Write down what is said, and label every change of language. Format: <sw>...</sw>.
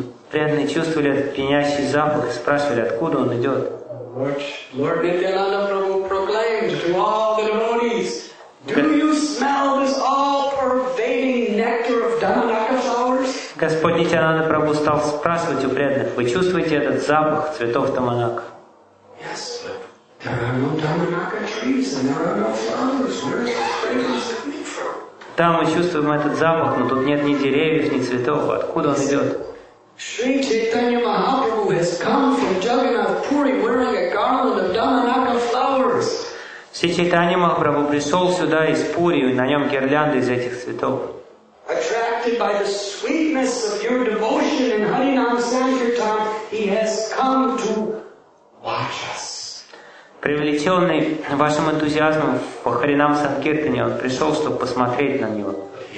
<ru>Преданные чувствовали этот пьянящий запах и спрашивали, откуда он идет.</ru> <en>Lord Nityananda Prabhu proclaimed to all the devotees, do you smell this all-pervading nectar of Dhammanaka flowers?</en> <ru>Господь Нитянанда Прабху стал спрашивать у преданных, вы чувствуете этот запах цветов Дхамманака?</ru> <en>Yes, but there are no Dhammanaka trees and there are no flowers. Where is this fragrance coming from?</en> <ru>Да, мы чувствуем этот запах, но тут нет ни деревьев, ни цветов. Откуда он идет?</ru> <en>Шри Чайтанья Махапрабху has come from Jagannath Puri wearing a garland of Dhammanaka flowers.</en> <ru>Шри Чайтанья Махапрабху пришел сюда из Пури, и на нем гирлянды из этих цветов.</ru> <en>Attracted by the sweetness of your devotion in Harinam Sankirtan, he has come to watch us.</en> <ru>Привлеченный вашим энтузиазмом по Харинам Санкиртане, он пришел, чтобы посмотреть на него.</ru>